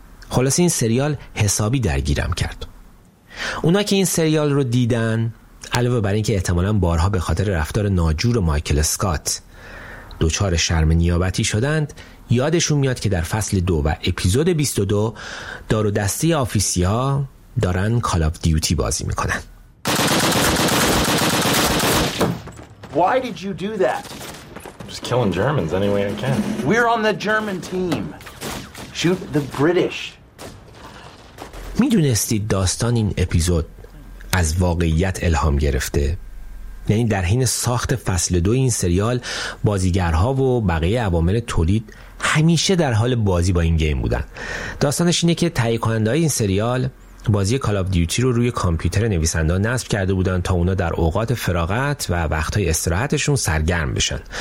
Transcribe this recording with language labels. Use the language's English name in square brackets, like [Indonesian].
[Persian] خلاصه این سریال حسابی درگیرم کرد. اونا که این سریال رو دیدن علاوه بر اینکه احتمالاً بارها به خاطر رفتار ناجور مایکل اسکات دوچار شرم نیابتی شدند، یادشون میاد که در فصل دو و اپیزود 22 دار و دسته آفیسی ها دارن کال آف دیوتی بازی میکنن. [English] Why did you do that? I'm just killing Germans any way I can. We're on the German team. Shoot the British. [Persian] میدونستید داستان این اپیزود از واقعیت الهام گرفته؟ یعنی در حین ساخت فصل دو این سریال بازیگرها و بقیه عوامل تولید همیشه در حال بازی با این گیم بودن. داستانش اینه که تهیه کننده‌های این سریال بازی کال آف دیوتی رو روی کامپیوتر نویسنده‌ها نصب کرده بودن تا اونا در اوقات فراغت و وقت‌های استراحتشون سرگرم بشن.